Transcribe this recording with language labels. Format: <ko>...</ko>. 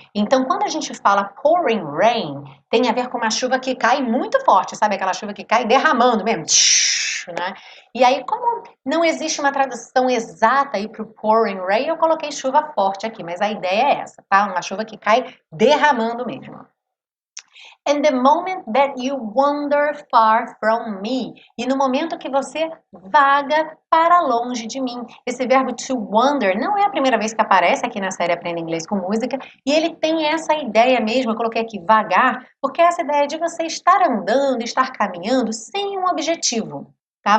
<pt>Então, quando a gente fala pouring rain, tem a ver com uma chuva que cai muito forte, sabe? Aquela chuva que cai derramando mesmo, né? E aí, como não existe uma tradução exata aí para o pouring rain, eu coloquei chuva forte aqui, mas a ideia é essa, tá? Uma chuva que cai derramando mesmo.</pt> <en>And the moment that you wander far from me.</en> <pt>E no momento que você vaga para longe de mim. Esse verbo to wander não é a primeira vez que aparece aqui na série Aprenda Inglês com Música. E ele tem essa ideia mesmo, eu coloquei aqui vagar, porque é essa ideia de você estar andando, estar caminhando sem um objetivo. Tá?</pt>